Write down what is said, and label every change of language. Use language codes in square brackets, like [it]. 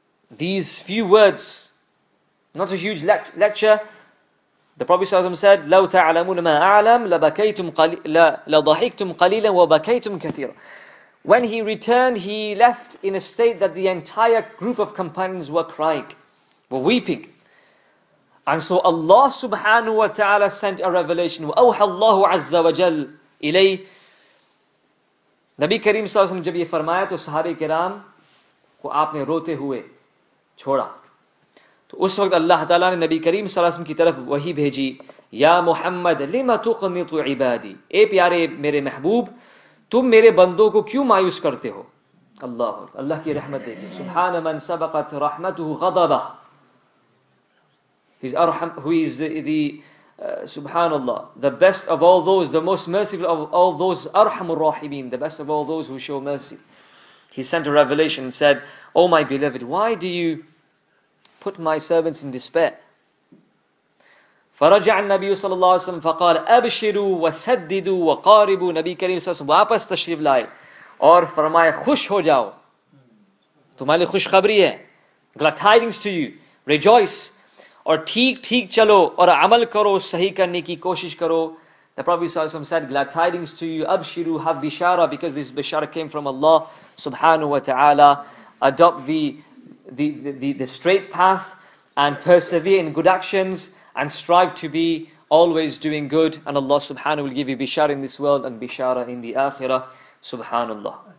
[en] These few words, not a huge lecture, the Prophet ﷺ said, [ar] لَوْ تَعْلَمُونَ مَا أَعْلَمْ لَضَحِكْتُمْ قَلِيلًا وَبَكَيْتُمْ كَثِيرًا. [en] When he returned, he left in a state that the entire group of companions were crying, were weeping. And so Allah subhanahu wa ta'ala sent a revelation. [ar] وَأَوْحَى اللَّهُ عَزَّ وَجَلُ إِلَيْهِ. [ur] Nabi Kareem ﷺ, جب یہ فرمایا تو صحابہ کرام کو آپ نے روتے ہوئے چھوڑا. اس وقت اللہ تعالیٰ نے نبی کریم صلی اللہ علیہ وسلم کی طرف وحی بھیجی, [ar] یا محمد لم تقنط عبادی, [ur] اے پیارے میرے محبوب, تم میرے بندوں کو کیوں مایوس کرتے ہو؟ اللہ اللہ کی رحمت دیکھیں, [ar] سبحان من سبقت رحمته غضبہ, [en] he is arham, who is the [ur] سبحان اللہ, [en] the best of all those, [ur] the most merciful of all those, Arham الراحمین, [en] the best of all those who show mercy. He sent a revelation and said, oh my beloved, why do you put my servants in despair? [ar] فرجع النبي صلى الله عليه وسلم فقال ابشروا وسددوا وقاربوا. [ur] نبی کریم صلی اللہ علیہ وسلم واپس تشریف لائے اور فرمایا خوش ہو جاؤ, تمہارے لیے خوش خبری ہے, [en] glad tidings to you, rejoice, [ur] اور ٹھیک ٹھیک چلو اور عمل کرو, صحیح کرنے کی کوشش کرو. [en] The Prophet صلی اللہ علیہ وسلم said, glad tidings to you, ابشروا, have بشارہ, because this بشارہ came from Allah سبحانہ وتعالی. Adopt the straight path and persevere in good actions and strive to be always doing good, and Allah subhanahu wa ta'ala will give you bishara in this world and bishara in the akhirah, subhanallah.